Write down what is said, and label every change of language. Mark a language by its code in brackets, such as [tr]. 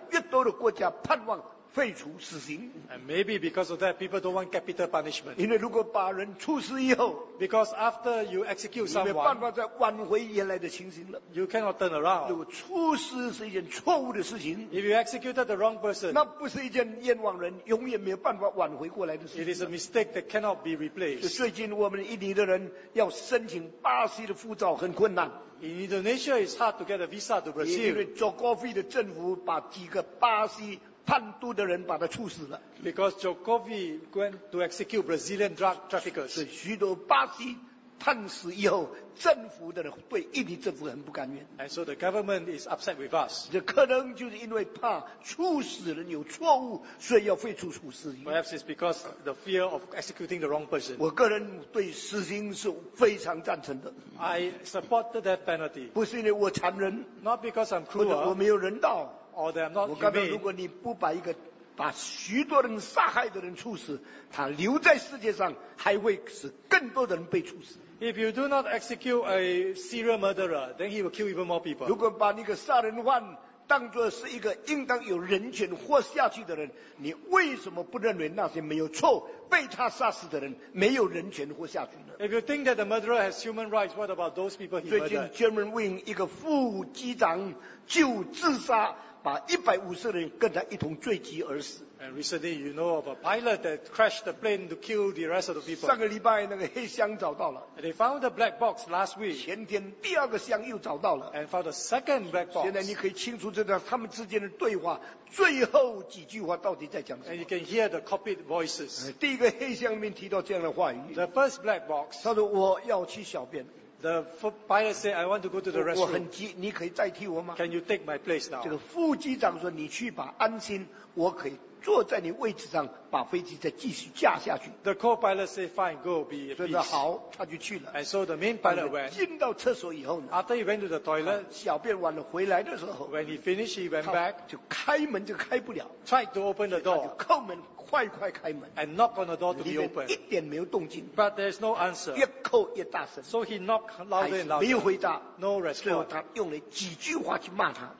[zh] 可能因为这样的事，所以现在世界越来越多的国家盼望 废除死刑。 [en] And maybe because of that, people don't want capital punishment. [zh] 因为如果把人处死以后, [en] because after you execute someone, [zh] 你没办法再挽回原来的情形了。 [en] You cannot turn around. [zh] 如果处死是一件错误的事情, [en] if you executed the wrong person, [zh] 那不是一件冤枉人永远没有办法挽回过来的事情。 [en] It is a mistake that cannot be replaced. [zh] 最近我们印尼的人要申请巴西的护照很困难。 [en] In Indonesia, it's hard to get a visa to Brazil. [zh] 因为Jokowi的政府把几个巴西 叛徒的人把他处死了。 [en] Because Jokowi went to execute Brazilian drug traffickers. [zh] 许多巴西判死以后，政府的人对印尼政府很不甘愿。 [en] And so the government is upset with us. [zh] 这可能就是因为怕处死人有错误，所以要废除处死刑。 [en] Perhaps it's because the fear of executing the wrong person. [zh] 我个人对死刑是非常赞成的。 [en] I support the death penalty. [zh] 不是因为我残忍 [en] ，not because I'm cruel. [zh] 我没有人道 [en] ，or that I'm not humane. [zh] 我刚刚如果你不把一个把许多人杀害的人处死，他留在世界上还会使更多的人被处死。 [en] If you do not execute a serial murderer, then he will kill even more people. [zh] 如果把那个杀人犯当作是一个应当有人权活下去的人，你为什么不认为那些没有错被他杀死的人没有人权活下去呢？ [en] If you think that the murderer has human rights, what about those people he murdered? [zh] 最近 German Wing 一个副机长就自杀。把150人跟他一同坠机而死。 [en] And recently, you know of a pilot that crashed the plane to kill the rest of the people. [zh] 上个礼拜那个黑箱找到了。 [en] And they found the black box last week. [zh] 前天第二个箱又找到了。 [en] And found a second black box. [zh] 现在你可以清楚知道他们之间的对话，最后几句话到底在讲什么。 [en] And you can hear the copied voices. [zh] 第一个黑箱里面提到这样的话语。 [en] The first black box. [zh] 他说我要去小便。 [en] The pilot said, "I want to go to the restroom." [zh] 我很急，你可以代替我吗 [en] ？Can you take my place now? [zh] 这个副机长说：“你去吧，安心，我可以坐在你位置上，把飞机再继续驾下去。 [en] ”The co-pilot said, "Fine, go be at peace." [zh] 说的好，他就去了。 [en] And so the main pilot went. [zh] 进到厕所以后呢 [en] ？After he went to the toilet, [zh] 小便完了回来的时候 [en] ，When he finished, he went back. [zh] 就开门就开不了。 [en] Tried to open the door. [zh] 他就叩门，快快开门。 [en] And knock on the door to be open. [zh] 一点没有动静。 [en] But there's no answer. [zh] 越叩越大声。 [en] So he knocked louder and louder. [zh] 没有回答。 [en] No response. [zh] 最后他用了几句话去骂他。